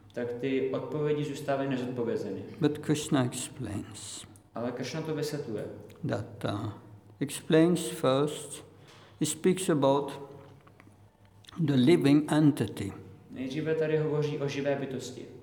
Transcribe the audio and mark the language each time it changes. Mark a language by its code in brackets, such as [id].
[cs] Tak ty odpovědi zůstávají nezodpovězeny. [en] But Krishna explains. [cs] Ale Krishna to vysvětluje. [en] That explains first, he speaks about the living entity. [cs] Nejdříve tady hovoří o živé bytosti.